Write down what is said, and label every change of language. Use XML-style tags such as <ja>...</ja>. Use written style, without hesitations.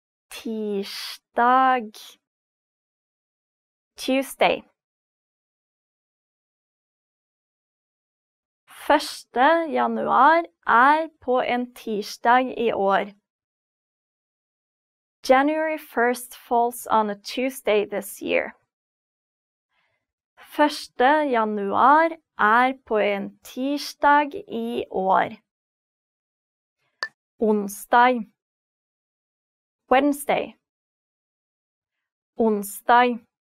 <da>Tirsdag.</da> <en>Tuesday.</en> <da>Første januar på en tirsdag I år.</da> <en>January 1st falls on a Tuesday this year.</en> <da>1. Januar på en tirsdag I år. Onsdag.</da> <en>Wednesday.</en> <da>Onsdag.</da>